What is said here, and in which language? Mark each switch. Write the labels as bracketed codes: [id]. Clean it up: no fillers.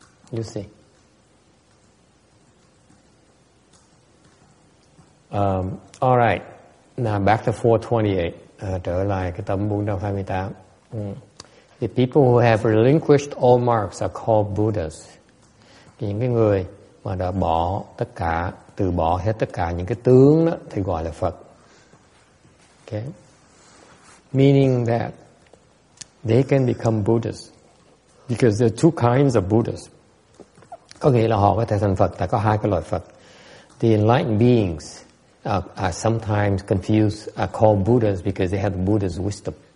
[en] You see. All right. Now back to 428. [vi] Trở lại cái tấm 428. [en] The people who have relinquished all marks are called Buddhas. [vi] Những cái người mà đã bỏ tất cả, từ bỏ hết tất cả những cái tướng đó thì gọi là Phật. [en] Okay. Meaning that they can become Buddhas because there are two kinds of Buddhas. [vi] Có nghĩa là họ có thể thành Phật, tại có hai cái loại Phật. [en] The enlightened beings are sometimes confused, are called Buddhas because they have the Buddha's wisdom.